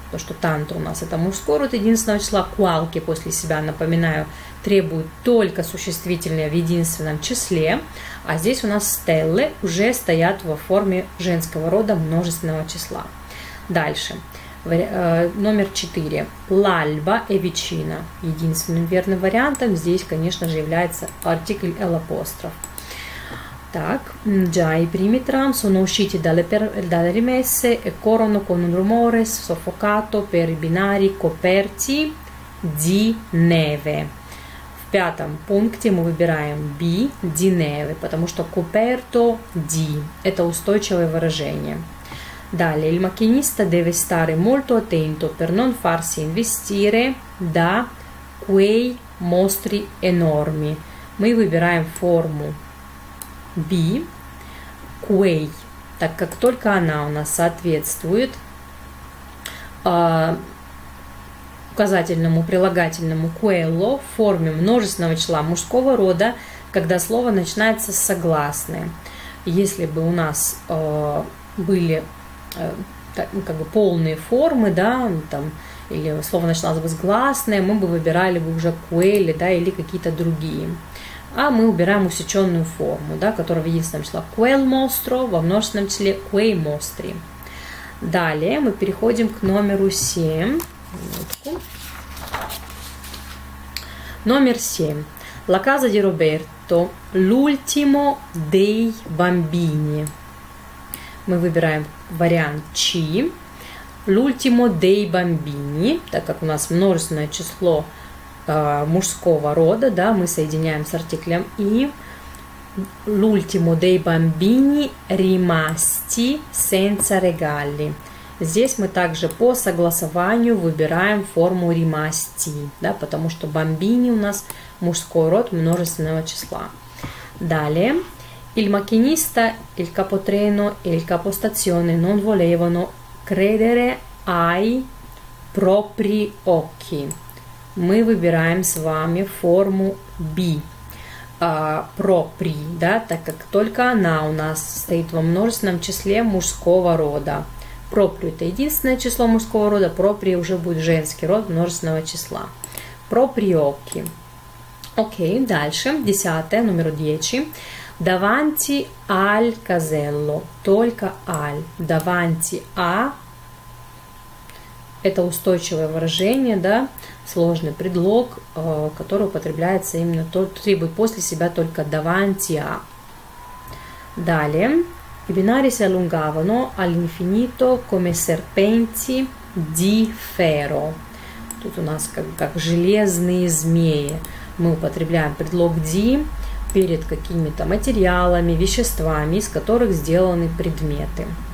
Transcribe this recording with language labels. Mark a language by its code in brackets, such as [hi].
[ru] То, что «tanto» у нас – это мужской род единственного числа, «qualche» после себя, напоминаю, требует только существительное в единственном числе, а здесь у нас «stelle» уже стоят во форме женского рода множественного числа. Дальше. Номер 4. [it] L'alba è vicina. [ru] Единственным верным вариантом здесь, конечно же, является артикль L'apostrof. [it] Так, già i primi tram sono usciti dalle rimesse e corrono con un rumore soffocato per i binari coperti di neve. [ru] В пятом пункте мы выбираем B, di neve, потому что coperto di – это устойчивое выражение. [it] Далее, il macchinista deve stare molto attento per non farsi investire da quei mostri enormi. [ru] Мы выбираем форму B, quei, так как только она у нас соответствует указательному прилагательному quello в форме множественного числа мужского рода, когда слово начинается с согласной. Если бы у нас были как бы полные формы, да, там, или слово начиналось бы с гласной, мы бы выбирали бы уже quelli, да, или какие-то другие. А мы убираем усеченную форму, да, которая в единственном числе [it] quel mostro, [ru] во множественном числе [it] quei mostri. [ru] Далее мы переходим к номеру 7. Номер 7. [it] La casa di Roberto, l'ultimo dei bambini. [ru] Мы выбираем вариант C, l'ultimo dei bambini, так как у нас множественное число мужского рода, да, мы соединяем с артиклем I, [it] l'ultimo dei bambini rimasti senza regali. [ru] Здесь мы также по согласованию выбираем форму rimasti, да, потому что bambini у нас мужской род множественного числа. Далее. [it] Il macchinista, il capotreno e il capostazione non volevano credere ai propri occhi. [ru] Мы выбираем с вами форму B. Propri, да, так как только она у нас стоит во множественном числе мужского рода. Propri – это единственное число мужского рода, propri уже будет женский род множественного числа. [it] Propri occhi. [ru] Окей, дальше, десятое, номер 10. [it] Davanti al casello, [ru] только al, davanti a, это устойчивое выражение, да, сложный предлог, который употребляется именно, требует после себя только davanti a. [it] Далее, i binari si allungavano all'infinito come serpenti di ferro. [ru] Тут у нас как железные змеи, мы употребляем предлог di, перед какими-то материалами, веществами, из которых сделаны предметы.